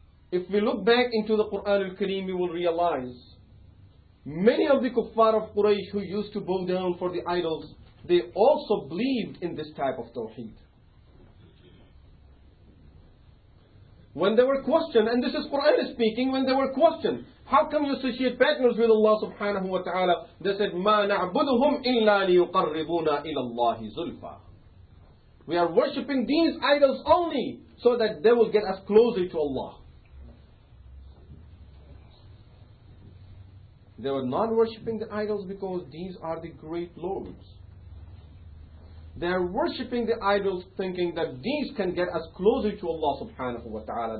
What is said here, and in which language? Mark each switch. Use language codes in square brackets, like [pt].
[en] If we look back into the Quran al-Kareem, we will realize many of the kuffar of Quraysh who used to bow down for the idols, they also believed in this type of tawheed. When they were questioned, and this is Quran speaking, when they were questioned, how come you associate partners with Allah subhanahu wa ta'ala? They said, [ar] مَا نَعْبُدُهُمْ إِلَّا لِيُقَرِّبُونَ إِلَى اللَّهِ زُلْفَى. [en] We are worshipping these idols only so that they will get us closer to Allah. They were not worshipping the idols because these are the great lords. They are worshipping the idols thinking that these can get us closer to Allah subhanahu wa ta'ala.